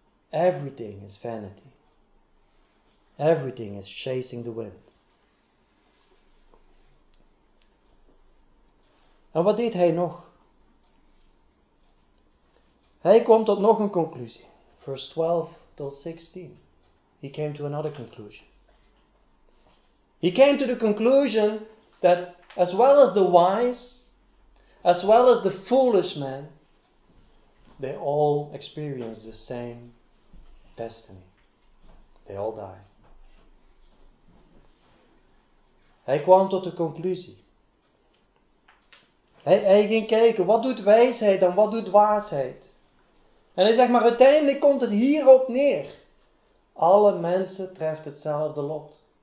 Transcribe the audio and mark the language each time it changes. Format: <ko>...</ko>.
<en>Everything is vanity. Everything is chasing the wind.</en> <nl>En wat deed hij nog? Hij komt tot nog een conclusie. Vers 12 tot 16.</nl> <en>He came to another conclusion. He came to the conclusion that as well as the wise, as well as the foolish man, they all experience the same destiny. They all die.</en> <nl>Hij kwam tot de conclusie. Hij ging kijken, wat doet wijsheid en wat doet dwaasheid? En hij zegt, maar uiteindelijk komt het hierop neer. Alle mensen treft hetzelfde lot.</nl>